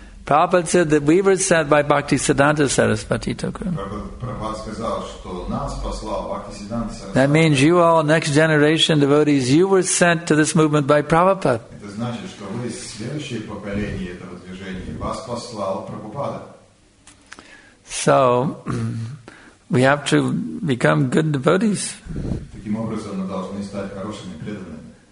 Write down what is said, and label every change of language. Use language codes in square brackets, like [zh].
[en] Prabhupada said that we were sent by Bhakti Siddhanta Sarasvati Thakur. [ru] Prabhupada сказал, что нас послал Бхакти Сиддханта Сарасвати. [en] That means you all, next generation devotees, you were sent to this movement by Prabhupada. [ru] Это значит, что вы следующее поколение этого движения, вас послал Прабхупада. [en] So we have to become good devotees. [ru] Таким образом, мы должны стать хорошими преданными.